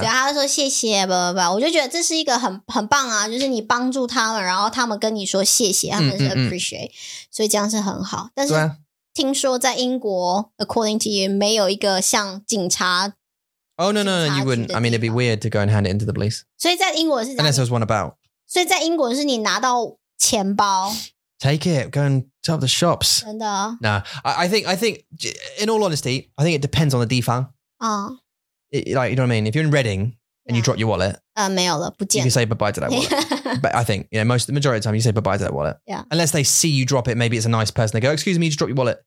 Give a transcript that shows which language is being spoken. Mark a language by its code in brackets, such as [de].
[zh] 对啊,他就说谢谢, [en] blah, blah, blah. [zh] 我就觉得这是一个很棒啊, 就是你帮助他们, 然后他们跟你说谢谢, 他们是appreciate, 所以这样是很好。但是听说在英国, [en] according to you, [zh] 没有一个像警察, [en] oh, no, no, no, you wouldn't. I mean, it'd be weird to go and hand it into the police. [zh] 所以在英国是这样, [en] unless there was one about. [zh] 所以在英国是你拿到钱包, [en] take it, go and top the shops. No, I think, in all honesty, I think it depends on the [zh] 地方. [en] Like, you know what I mean? If you're in Reading and you drop your wallet, [zh] 没有了,不见了. [en] You can say bye-bye to that wallet. But I think, you know, the majority of the time you say bye-bye to that wallet. Yeah. Unless they see you drop it, maybe it's a nice person. They go, excuse me, you just drop your wallet.